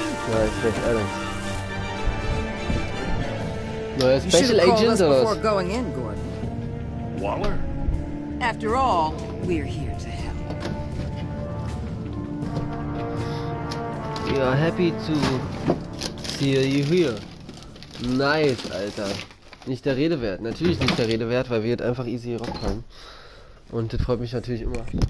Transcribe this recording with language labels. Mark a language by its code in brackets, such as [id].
[de] Ja, ist schlecht, Alter. Neuer Special Agent, oder was? Waller? [en] After all, we're here to help. We are happy to see you here. [de] Nice, Alter. Nicht der Rede wert. Natürlich nicht der Rede wert, weil wir jetzt einfach easy rauskommen. Und das freut mich natürlich immer.